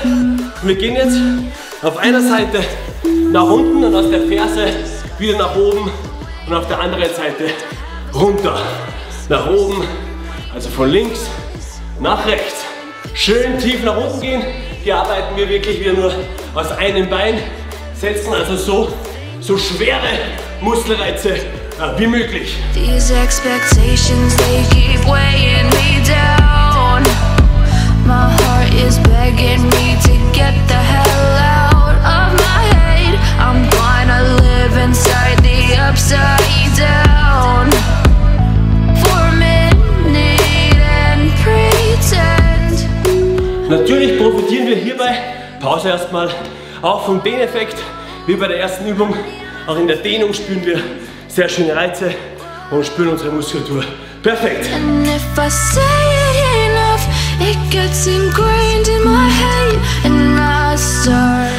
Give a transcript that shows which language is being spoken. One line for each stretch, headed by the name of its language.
German: Und wir gehen jetzt auf einer Seite nach unten und aus der Ferse wieder nach oben. Und auf der anderen Seite runter, nach oben, also von links nach rechts. Schön tief nach unten gehen. Hier arbeiten wir wirklich wieder nur aus einem Bein. Setzen also so schwere Muskelreize wie möglich.
English: These expectations, they keep weighing me down. My heart is begging me to get the hell out of my head. I'm gonna live inside. Upside down. For a minute and pretend.
German: Natürlich profitieren wir hierbei, Pause erstmal, auch vom Dehneffekt. Wie bei der ersten Übung, auch in der Dehnung spüren wir sehr schöne Reize und spüren unsere Muskulatur perfekt.
English: And if I say it enough, it gets ingrained in my head and I start.